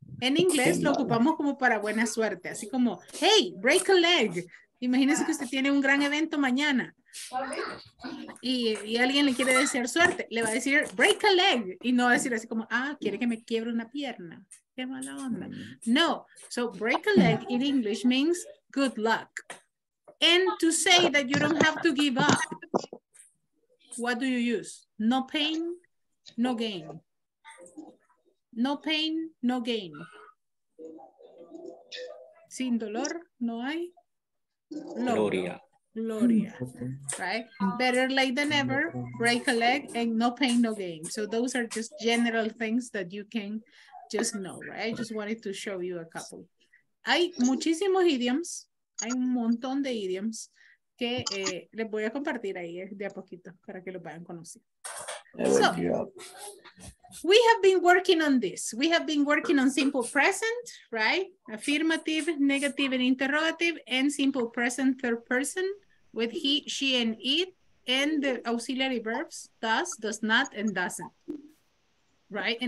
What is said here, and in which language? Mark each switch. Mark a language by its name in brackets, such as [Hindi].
[Spanish] En inglés lo ocupamos como para buena suerte, así como, [English] hey, break a leg. [Spanish] Imagínese que usted tiene un gran evento mañana. Y alguien le quiere desear suerte, le va a decir [English] break a leg [Spanish] y no va a decir así como, ah, quiere que me quiebre una pierna, qué mala onda. [English] No, so break a leg in English means good luck. And to say that you don't have to give up, what do you use? No pain, no gain. No pain, no gain. [Spanish] Sin dolor, no hay gloria. [English] Gloria, right? Better late than never, break a leg, and no pain, no gain. So those are just general things that you can just know, right? I just wanted to show you a couple. [Spanish] Hay muchísimos idioms, hay un montón de idioms que les voy a compartir ahí de a poquito para que los vayan conociendo. [English] So, we have been working on this. We have been working on simple present, right? Affirmative, negative, and interrogative, and simple present third person with he, she, and it, and the auxiliary verbs does not, and doesn't, right?